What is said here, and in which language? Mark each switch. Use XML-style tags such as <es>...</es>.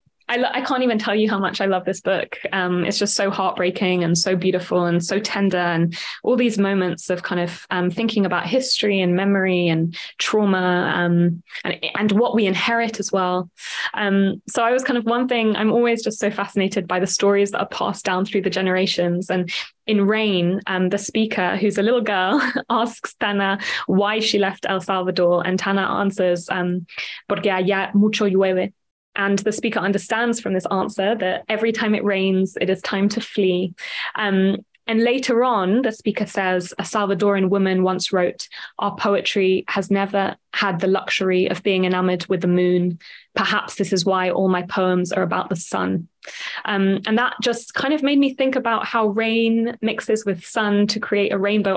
<en>I can't even tell you how much I love this book. It's just so heartbreaking and so beautiful and so tender, and all these moments of kind of thinking about history and memory and trauma and what we inherit as well. So I was kind of, one thing, I'm always just so fascinated by the stories that are passed down through the generations. And in Rain, the speaker, who's a little girl, asks Tana why she left El Salvador. And Tana answers,</en> <es>porque allá mucho llueve.</es> <en>And the speaker understands from this answer that every time it rains, it is time to flee. And later on, the speaker says, a Salvadoran woman once wrote, our poetry has never had the luxury of being enamored with the moon. Perhaps this is why all my poems are about the sun. And that just kind of made me think about how rain mixes with sun to create a rainbow.</en>